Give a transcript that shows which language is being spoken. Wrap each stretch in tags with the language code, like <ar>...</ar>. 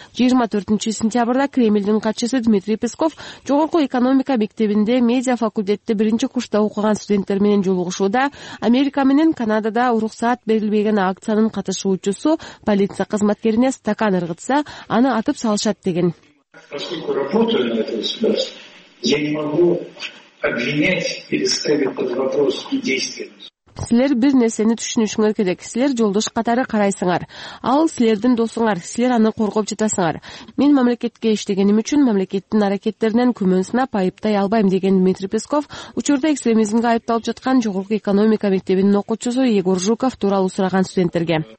<ky>24 сентябрда Кремлдин катчысы Дмитрий Песков жогорку экономика мектебинде медиа факультетте биринчи курста окуган студенттер менен жолугушууда Америка менен Канадада уруксаат берилбеген акциянын катышуучусу полиция кызматкерине стакан ыргытса, аны атып салышат деген.</ky> <ru>Поскольку работаю на этой ситуации, я не могу обвинять или ставить под вопрос и действия.</ru> <ky>Силер бир нерсени түшүнүшүңөр керек. Силер жолдош катары карайсыңар. Ал силердин досуңар. Силер аны коргоп жатасыңар. Мен мамлекетке иштегеним үчүн мамлекеттин аракеттеринен күмөн сынап айыптай албайм деген Дмитрий Песков учурда экстремизмге айыпталып жаткан жогорку экономика мектебинин окуучусу Егор Жуков тууралуу сураган студенттерге.</ky>